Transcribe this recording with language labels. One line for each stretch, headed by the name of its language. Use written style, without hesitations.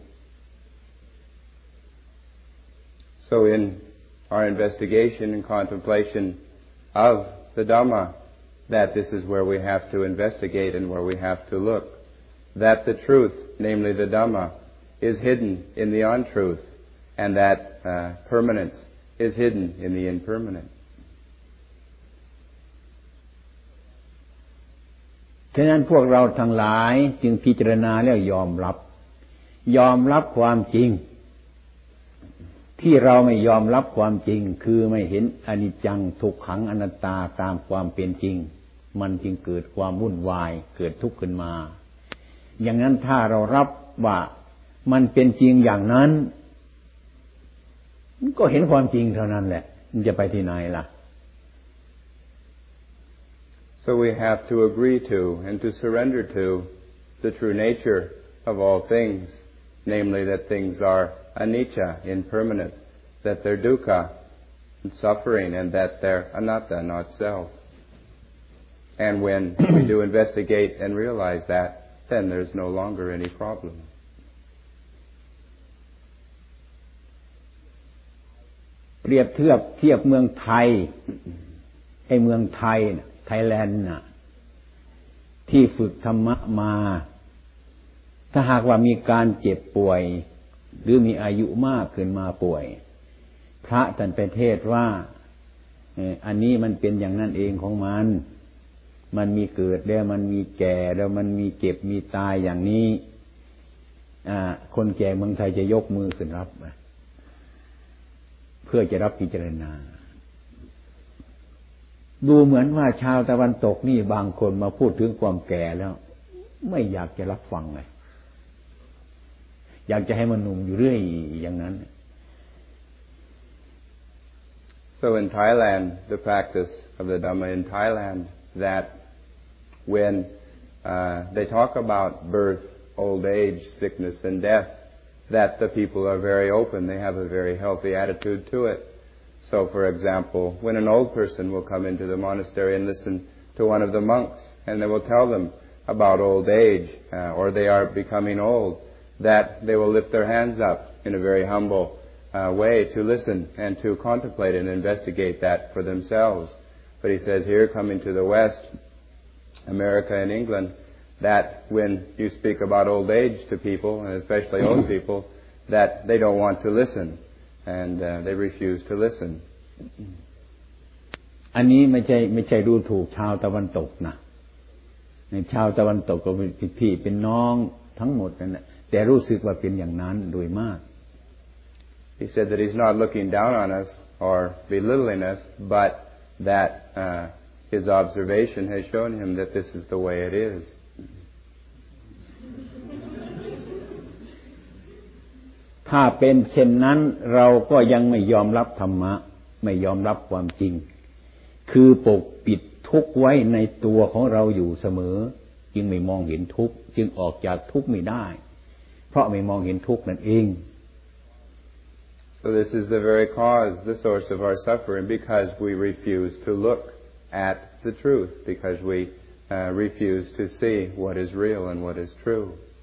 English: So in our investigation and contemplation of the Dhamma that this is where we have to investigate and where we have to look that the truth namely the Dhamma is hidden in the untruth and that permanence is hidden in the impermanent
Thai: ฉะนั้นพวกเราทั้งหลายจึงพิจารณาแล้วยอมรับความจริงที่เราไม่ยอมรับความจริงคือไม่เห็นอนิจจังทุกขังอนัตตาตามความเป็นจริงมันจึงเกิดความวุ่นวายเกิดทุกข์ขึ้นมาอย่างนั้นถ้าเรารับว่ามันเป็นจริงอย่างนั้นก็เห็นความจริงเท่านั้นแหละมันจะไปที่ไหนล่ะ
English: So we have to agree to and to surrender to the true nature of all things namely that things areAnicca, impermanent, that they're dukkha, suffering, and that they're anatta, not self. And when we do investigate and realize that, then there's no longer any problem.
Thai: เปรียบเทียบเมืองไทยไอ้เมืองไทยน่ะไทยแลนด์น่ะที่ฝึกธรรมะมาถ้าหากว่ามีการเจ็บป่วยหรือมีอายุมากขึ้นมาป่วยพระท่านไปเทศว่า อันนี้มันเป็นอย่างนั้นเองของมันมีเกิดแล้วมันมีแก่แล้วมันมีเจ็บมีตายอย่างนี้คนแก่เมืองไทยจะยกมือขึ้นรับเพื่อจะรับพิจารณา ดูเหมือนว่าชาวตะวันตกนี่บางคนมาพูดถึงความแก่แล้วไม่อยากจะรับฟังเลยอยากจะให้มันหนุ่มอยู่เรื่อยอย่างนั้น
English: So in Thailand the practice of the Dhamma in Thailand that when they talk about birth old age sickness and death that the people are very open they have a very healthy attitude to it so for example when an old person will come into the monastery and listen to one of the monks and they will tell them about old age or they are becoming oldthat they will lift their hands up in a very humble way to listen and to contemplate and investigate that for themselves. But he says here, coming to the West, America and England, that when you speak about old age to people, and especially old people, that they don't want to listen and they refuse to listen.
Thai: อันนี้ไม่ใช่ดูถูกชาวตะวันตกนะในชาวตะวันตกก็เป็นพี่เป็นน้องทั้งหมดนั่นแหละแต่รู้สึกว่าเป็นอย่างนั้นโดยมาก
English: He said that he's not looking down on us or belittling us but that his observation has shown him that this is the way it is
Thai: ถ้าเป็นเช่นนั้นเราก็ยังไม่ยอมรับธรรมะไม่ยอมรับความจริงคือปกปิดทุกข์ไว้ในตัวของเราอยู่เสมอจึงไม่มองเห็นทุกข์จึงออกจากทุกข์ไม่ได้เพราะไม่มองเห็นทุกข์นั่นเอง
English: So this is the very cause, the source of our suffering, because we refuse to look at the truth, because we refuse to see what is real and what is true.